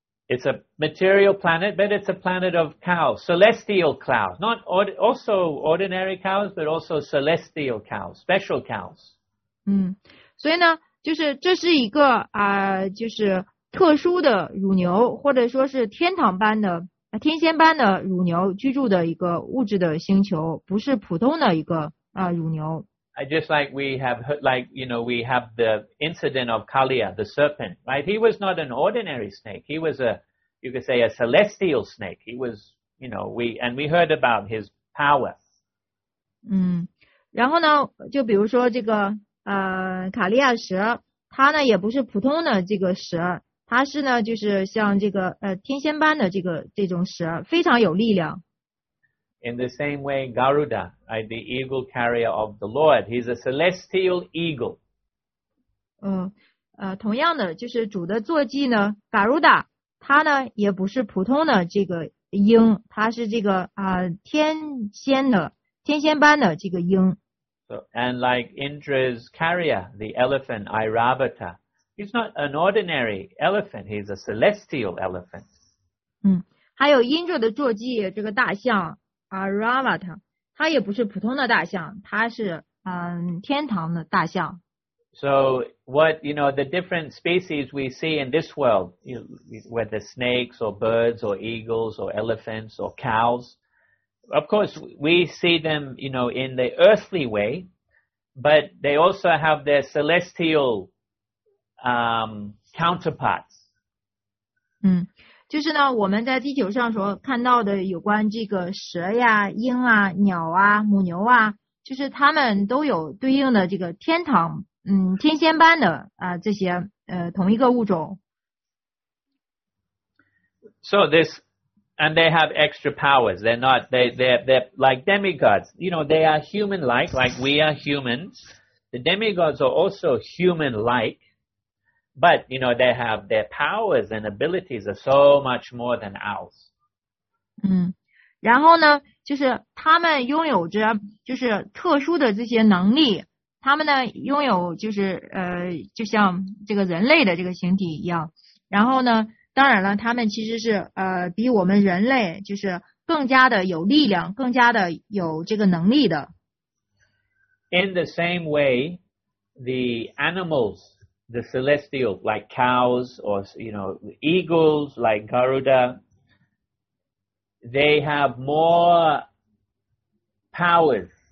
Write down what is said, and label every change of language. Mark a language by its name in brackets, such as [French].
[English] It's a material planet, but it's a planet of cows, celestial cows, not also ordinary cows, but also celestial cows, special cows. [Chinese] 所以呢就是这是一个就是特殊的乳牛，或者说是天堂般的天仙般的乳牛居住的一个物质的星球，不是普通的一个乳牛。 [English] I just like we have heard, like you know, we have the incident of Kaliya, the serpent, right? He was not an ordinary snake. He was a, you could say, a celestial snake. He was, you know, we heard about his power. [Chinese] 然后呢，就比如说这个卡利亚蛇，它呢也不是普通的这个蛇。它是呢就是像这个天仙般的这个这种蛇非常有力量。 [English] In the same way, Garuda, the eagle carrier of the Lord, he's a celestial eagle. [Chinese] 同样的就是主的坐骑呢 ,Garuda, 他呢也不是普通的这个鹰，它是这个天仙般的这个鹰。 [English] So, and like Indra's carrier, the elephant Airavata, he's not an ordinary elephant, he's a celestial elephant. [Chinese] 还有Indra的坐骑这个大象Airavata, 它也不是普通的大象，它是天堂的大象。 [English] So, what, you know, the different species we see in this world, you know, whether snakes or birds or eagles or elephants or cows, of course, we see them, you know, in the earthly way, but they also have their celestial, counterparts. [Chinese] 就是呢，我们在地球上所看到的有关这个蛇呀、鹰啊、鸟啊、母牛啊，就是它们都有对应的这个天堂。天仙般的这些同一个物种。 [English] So this, and they have extra powers. They're not, they're like demigods. You know, they are human-like, like we are humans. The demigods are also human-like. But, you know, they have their powers and abilities are so much more than ours. [Chinese] 然后呢，就是他们拥有着就是特殊的这些能力。他们呢拥有就是就像这个人类的这个形体一样，然后呢当然了他们其实是比我们人类就是更加的有力量，更加的有这个能力的。 [English] In the same way, the animals, the celestial, like cows or, you know, eagles, like Garuda, they have more powers.